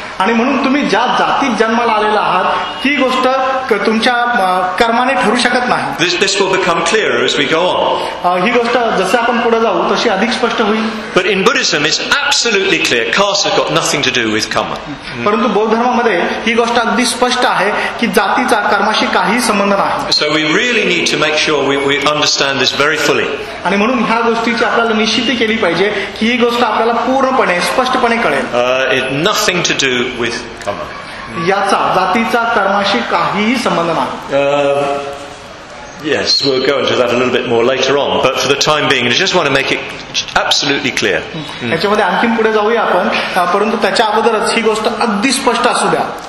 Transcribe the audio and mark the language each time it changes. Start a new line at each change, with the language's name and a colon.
Marathi: आणि म्हणून तुम्ही ज्या जातीत जन्माला आलेला आहात ही गोष्ट तुमच्या कर्माने ठरू शकत नाही.
English: This will become clearer as we go on.
Marathi: ही गोष्ट जसे आपण पुढे जाऊ तशी अधिक स्पष्ट होईल.
English: But in Buddhism it's absolutely clear caste has got nothing to do with karma.
Marathi: परंतु बौद्ध धर्मामध्ये ही गोष्ट अगदी स्पष्ट आहे की जातीचा कर्माशी काही संबंध नाही.
English: So we really need to make sure we understand this very fully.
Marathi: आणि म्हणून ह्या गोष्टीची आपल्याला निश्चिती केली पाहिजे की ही गोष्ट आपल्याला पूर्णपणे स्पष्टपणे कळेल.
English: Nothing to do with karma.
Marathi: याचा जातीचा कर्माशी काहीही संबंध नाही.
English: Yes, we'll go into that a little bit more later on, but for the time being I just want to make it absolutely clear.
Marathi: याच्यामध्ये आणखी पुढे जाऊया आपण, परंतु त्याच्या अगोदरच ही गोष्ट अगदी स्पष्ट असू द्या.